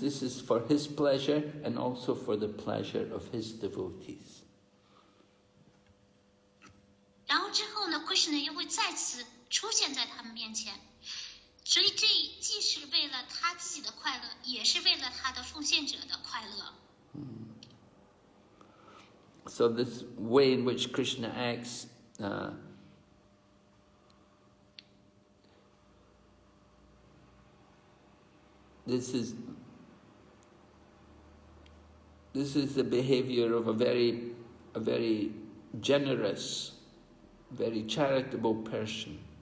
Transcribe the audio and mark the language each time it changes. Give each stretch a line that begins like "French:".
English: This is for his pleasure and also for the pleasure of his devotees.
Chinese: 然后之后呢, Krishna 又会再次出现在他们面前。所以这既是为了他自己的快乐，也是为了他的奉献者的快乐。
English: So this way in which Krishna acts, This is the behavior of a very generous, very charitable person.